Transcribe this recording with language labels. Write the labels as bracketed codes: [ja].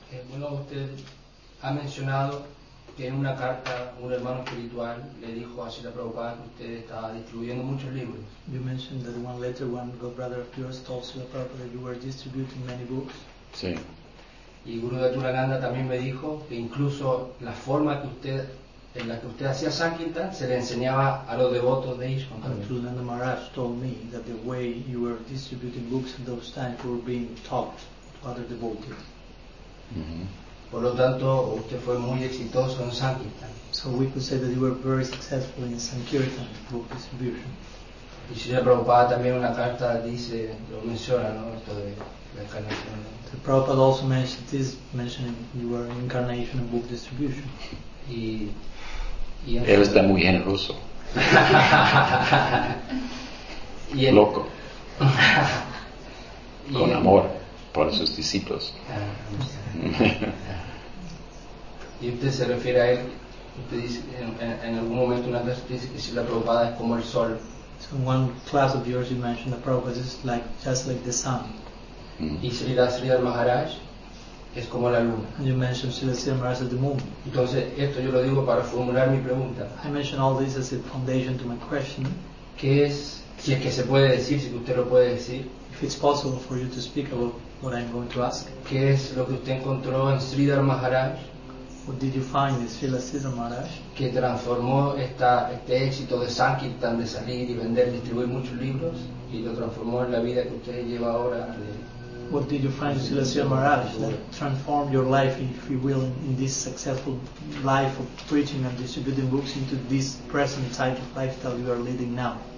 [es] Bueno, usted ha mencionado que en una carta un hermano espiritual le dijo a Srila Prabhupada que usted estaba distribuyendo muchos libros. [en] You mentioned that one letter one god brother of yours told Srila Prabhupada that you were distributing many books. [es] Sí. Y Guru Daturananda también me dijo que incluso la forma que usted en la que usted hacía sankirtan se le enseñaba a los devotos de Ishkan. [en] Nanda Maharaj told me that the way you were distributing books in those times were being taught to other devotees. [es] Por lo tanto, usted fue muy exitoso en sankirtan. [en] So we could say that you were very successful in sankirtan book distribution. [es] Y Srila Prabhupada también una carta dice, lo menciona, ¿no? Esto de la encarnación. [en] The Prabhupada also mentioned this, mentioning you were incarnation and book distribution. [es] Y él está muy generoso. Y el, loco. Con amor por sus discípulos. Y usted se refiere a él, usted dice, en algún momento una vez dice que si la Prabhupada es como el sol. [en] So in one class of yours you mentioned the Prabhupada is like just like the sun. [es] Y Sri Maharaj es como la luna. [en] You mentioned Srila Sri Maharaj as the moon. [es] Entonces esto yo lo digo para formular mi pregunta. [en] I mentioned all this as a foundation to my question. [es] ¿Qué es, si es que se puede decir, si usted lo puede decir? [en] If it's possible for you to speak about what I'm going to ask. [es] ¿Qué es lo que usted encontró en Sridhar Maharaj? [en] What did you find in Srila Sridhar Maharaj? [es] Que transformó este éxito de Sankirtan de salir y vender, distribuir muchos libros y lo transformó en la vida que usted lleva ahora. [en] What did you find in Srila Sri Maharaj that transformed your life, if you will, in this successful life of preaching and distributing books into this present type of lifestyle you are leading now?